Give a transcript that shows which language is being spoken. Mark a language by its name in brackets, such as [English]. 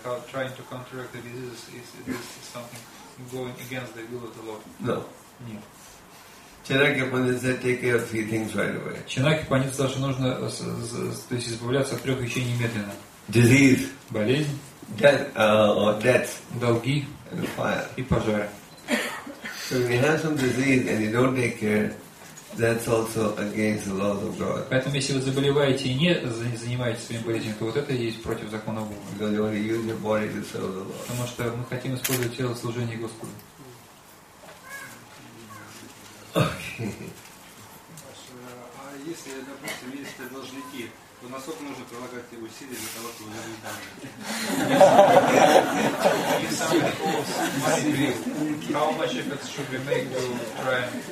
[English] Trying to counteract the diseases, is this something going against the will of the Lord? No. [Russian] Нет. [English] Чанакья Пандит said, take care of three things right away. [Russian] Чанакья Пандит сказал, что нужно то есть избавляться от трех вещей немедленно. [English] Disease. [Russian] Болезнь. [English] Death. [Russian] Долги. [English] And fire. [Russian] И пожары. [English] So if you have some disease and you don't take care, that's also against the law of God. [Russian] Поэтому если вы заболеваете и не занимаетесь своими болезнями, то вот это и есть против закона Бога. Потому что мы хотим использовать тело в служении Господу. [English] Okay. [Russian] А если, допустим, есть должники, то насколько нужно прилагать усилия для того, чтобы вернуть данные? [English] How much effort should we make to try